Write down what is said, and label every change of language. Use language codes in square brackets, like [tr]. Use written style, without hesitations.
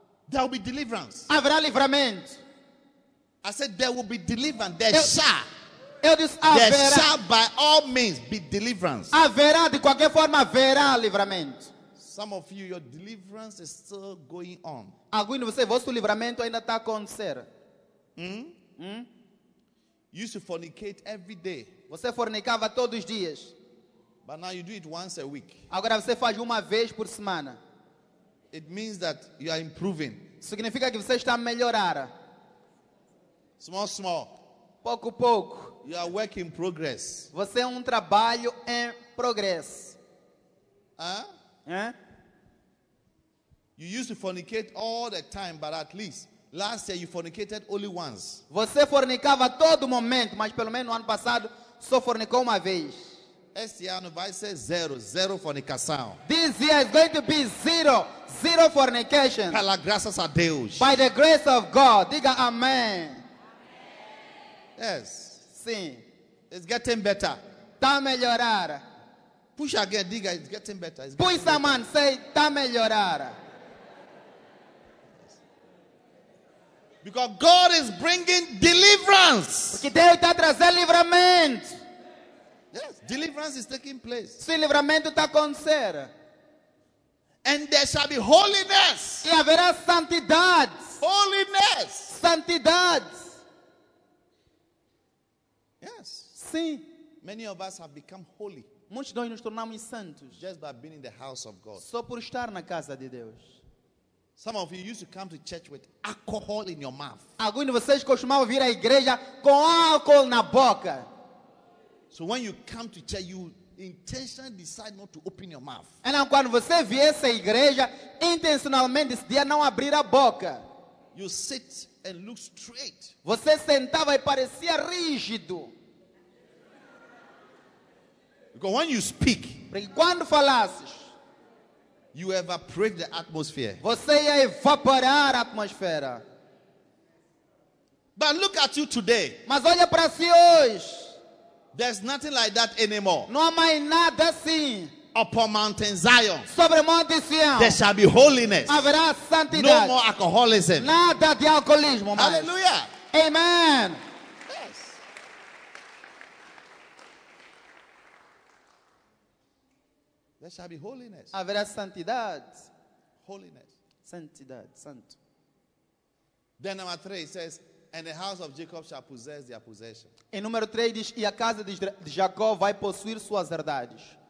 [en] There will be deliverance. [pt] Haverá livramento. [en] I said there will be deliverance. There shall by all means be deliverance. [pt] Haverá, de qualquer forma, haverá livramento. [en] Some of you, your deliverance is still going on. [pt] Alguns de vocês, vosso livramento ainda está a acontecer. [en] You used to fornicate every day. [pt] Você fornicava todos os dias. [en] But now you do it once a week. [pt] Agora você faz uma vez por semana. [en] It means that you are improving. [pt] Significa que você está a melhorar. [en] Small. [pt] Pouco a pouco. [en] You are work in progress. [pt] Você é um trabalho em progresso. [en] You used to fornicate all the time, but at least last year you fornicated only once. [pt] Você fornicava todo momento, mas pelo menos no ano passado só fornicou uma vez. Este ano vai ser zero fornicação. [en] This year is going to be zero fornication. [pt] Pela graça a Deus. [en] By the grace of God, [pt] diga amém. [en] Yes. [pt] Sim. [en] It's getting better. [pt] Tá melhorar. [en] Push again, [pt] diga, [en] it's getting better. Push a man, say, [pt] tá melhorar. [en] Yes. Because God is bringing deliverance. [pt] Porque Deus está trazendo livramento. [en] Yes, deliverance is taking place. [pt] Sim, livramento está acontecendo. [en] And there shall be holiness. [pt] E haverá santidade. [en] Holiness. [pt] Santidade. [en] Yes. [pt] Sim. [en] Many of us have become holy. [pt] Muitos de nós nos tornamos santos. [en] Just by being in the house of God. [pt] Só por estar na casa de Deus. [en] Some of you used to come to church with alcohol in your mouth. [pt] Alguns de vocês costumavam vir à igreja com álcool na boca. [en] So when you come to church, you intentionally decide not to open your mouth. [pt] Então quando você viesse à igreja, intencionalmente decidia não abrir a boca. [en] You sit and look straight. [pt] Você sentava e parecia rígido. [en] Because when you speak, [pt] porque quando falasses, [en] you evaporate the atmosphere. [pt] Você ia evaporar a atmosfera. [en] But look at you today. [pt] Mas olha para si hoje. [en] There's nothing like that anymore. [pt] Não há mais nada assim. [en] Upon Mount Zion, [pt] sobre Monte Sião, [en] there shall be holiness. [pt] Haverá santidade. [en] No more alcoholism. [pt] Nada de alcoolismo. [en] Hallelujah. Amen. Yes. There shall be holiness. [pt] Haverá santidade. [en] Holiness. [pt] Santidade. Santo. [en] Then number 3 says, and the house of Jacob shall possess their possession. [pt] Em número 3 diz, e a casa de Jacó vai possuir suas herdades.